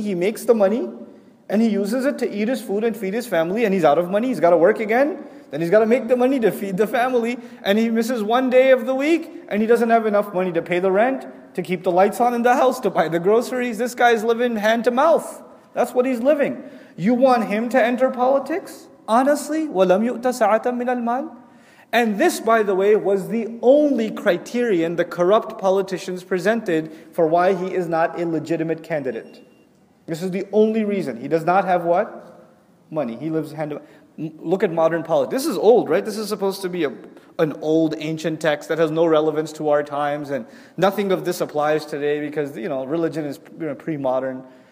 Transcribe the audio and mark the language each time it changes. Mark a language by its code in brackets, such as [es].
[en] He makes the money and he uses it to eat his food and feed his family, and he's out of money, he's got to work again. Then he's got to make the money to feed the family. And he misses one day of the week, and he doesn't have enough money to pay the rent, to keep the lights on in the house, to buy the groceries. This guy's living hand to mouth. That's what he's living. You want him to enter politics? Honestly, [ar] وَلَمْ يُؤْتَ سَعَةً مِنَ الْمَالِ. [en] And this, by the way, was the only criterion the corrupt politicians presented for why he is not a legitimate candidate. This is the only reason. He does not have what? Money. He lives hand to mouth. Look at modern politics. This is old, right? This is supposed to be an old ancient text that has no relevance to our times, and nothing of this applies today because, you know, religion is, you know, pre-modern.